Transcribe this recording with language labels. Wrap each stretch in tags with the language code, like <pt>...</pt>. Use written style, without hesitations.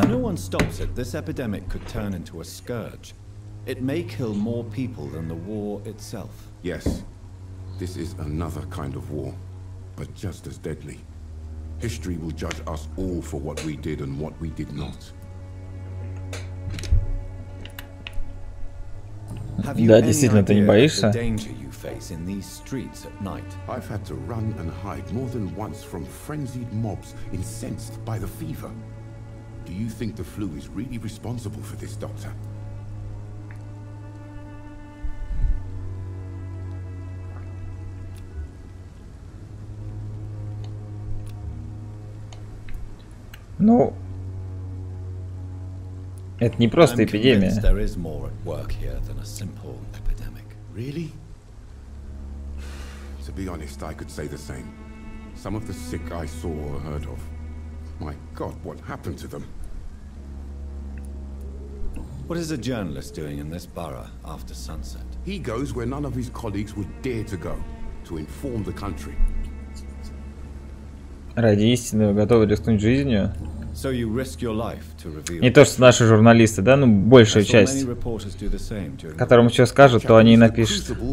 <en>If no one stops it, this epidemic could turn into a scourge. It may kill more people than the war itself. Yes, this is another kind of war, but just as deadly. History will judge us all for what we did and what we did not.</en> <ru>Да, действительно, ты не боишься?</ru> <en>In these streets at night. I've had to run and hide more than once from frenzied mobs incensed by the fever. Do you think the flu is really responsible for this, Doctor?</en> <ru>Ну, это не просто эпидемия.</ru> <en>There is more at work here than a simple epidemic. Really? To be honest, I could say the same. Some of the sick I saw or heard of. My God, what happened to them? What is a journalist doing in this borough after sunset? He goes where none of his colleagues would dare to go, to inform the country.</en> <ru>Ради истины вы готовы рискнуть жизнью?</ru> <en>So you risk your life to reveal.</en> <ru>Не то, что наши журналисты, да, ну большая часть, которым что скажут, то они и напишут.</ru>